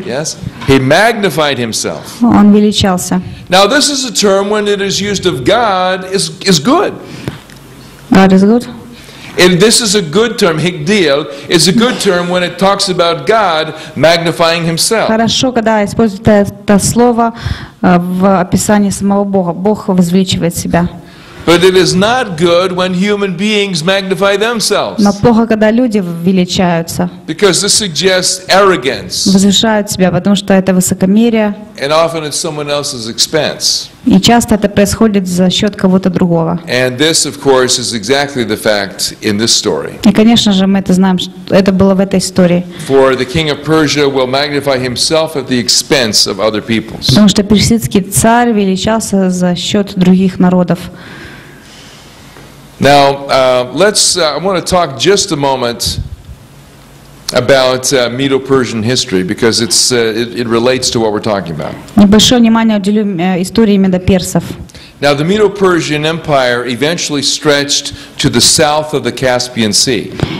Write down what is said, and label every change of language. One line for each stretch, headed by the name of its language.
English: Yes, he magnified himself.
Russian: Он величался.
English: Now this is a term when it is used of God is good. God is good. And this is a good term, higdil, is a good term when it talks about God magnifying himself.
Russian: Хорошо, когда используется это слово в описании самого Бога. Бог возвеличивает себя.
English: But it is not good when human beings magnify themselves.
Russian: Но плохо, когда люди величаются.
English: Because this suggests arrogance.
Russian: Возвышают себя, потому что это высокомерие.
English: And often at someone else's expense.
Russian: И часто это происходит за счет кого-то другого.
English: And this, of course, is exactly the fact in this story.
Russian: И, конечно же, мы это знаем, что это было в этой истории.
English: For the king of Persia will magnify himself at the expense of other peoples.
Russian: Потому что персидский царь величался за счет других народов.
English: Now, I want to talk just a moment about Medo-Persian history because it relates to what we're talking about.
Russian: Небольшое внимание уделю истории Медоперсов.
English: Now, the Medo-Persian Empire eventually stretched to the south of the Caspian Sea.